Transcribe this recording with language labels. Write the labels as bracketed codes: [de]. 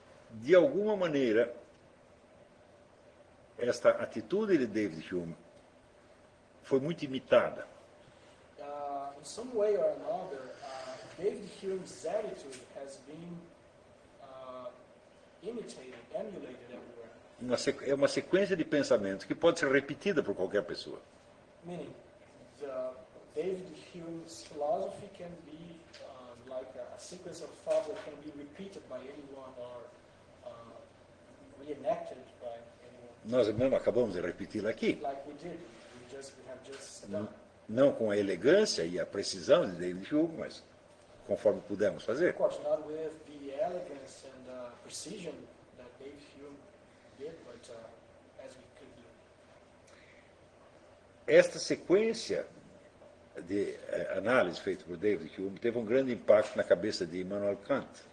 [pt] De alguma maneira, esta atitude de David Hume foi muito imitada. [en] In some way or another, David Hume's attitude has been imitated, emulated everywhere. [pt] É uma sequência de pensamentos que pode ser repetida por qualquer pessoa. [en] Meaning, David Hume's philosophy can be like a sequence of thoughts that can be repeated by anyone or reenacted by anyone. [pt] Nós mesmo acabamos de repeti-la aqui. [en] Like we did, we have just done. [pt] Não com a elegância e a precisão de David Hume, mas conforme pudemos fazer. [en] Of course, not with the elegance and precision that David Hume did, but as we could do. [pt] Esta sequência de análise feita por David Hume teve um grande impacto na cabeça de Immanuel Kant.